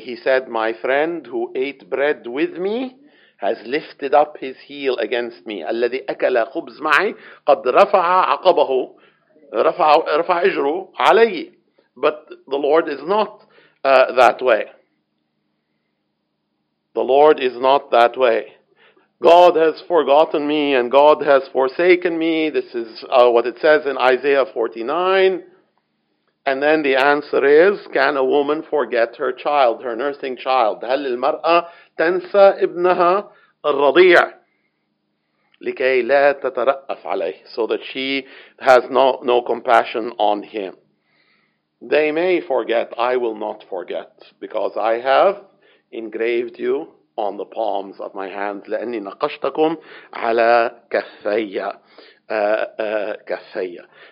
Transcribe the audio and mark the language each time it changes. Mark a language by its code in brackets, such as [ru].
[en] He said, my friend who ate bread with me, has lifted up his heel against me. [ar] الذي أكل خبز معي قد رفع عقبه رفع إجره علي. [en] But the Lord is not that way. The Lord is not that way. God has forgotten me and God has forsaken me. This is what it says in Isaiah 49. And then the answer is, can a woman forget her child, her nursing child? [ar] هل المرأة تنسى ابنها الرضيع لكي لا تترأف عليه, [en] so that she has no compassion on him. They may forget, I will not forget, because I have engraved you on the palms of my hands. [ar] لأني نقشتكم على كفية كفية.